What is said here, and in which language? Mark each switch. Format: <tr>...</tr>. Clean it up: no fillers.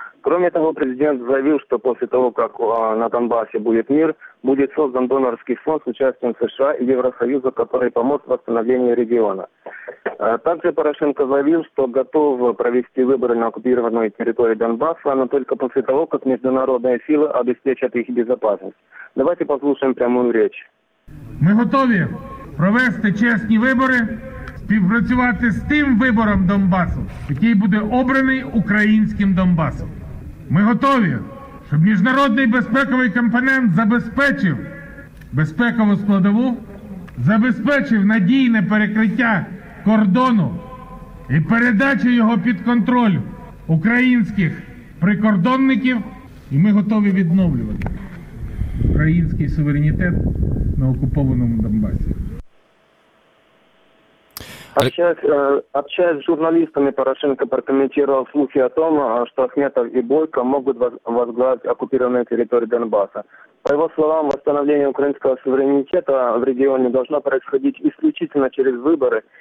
<ru>Кроме того, президент заявил, что после того, как на Донбассе будет мир, будет создан донорский фонд с участием США и Евросоюза, который поможет в восстановлении региона. Также Порошенко заявил, что готов провести выборы на оккупированной территории Донбасса, но только после того, как международные силы обеспечат их безопасность. Давайте послушаем прямую речь. Мы готовы провести</ru> <uk>чесні вибори, співпрацювати з тим вибором Донбасу, який буде обраний українським Донбасом. Ми готові, щоб міжнародний безпековий компонент забезпечив безпекову складову, забезпечив надійне перекриття кордону і передачу його під контроль українських прикордонників. І ми готові відновлювати український суверенітет на окупованому Донбасі.</uk> <ru>Общаясь с журналистами, Порошенко прокомментировал слухи о том, что Ахметов и Бойко могут возглавить оккупированные территории Донбасса. По его словам, восстановление украинского суверенитета в регионе должно происходить исключительно через выборы.</ru>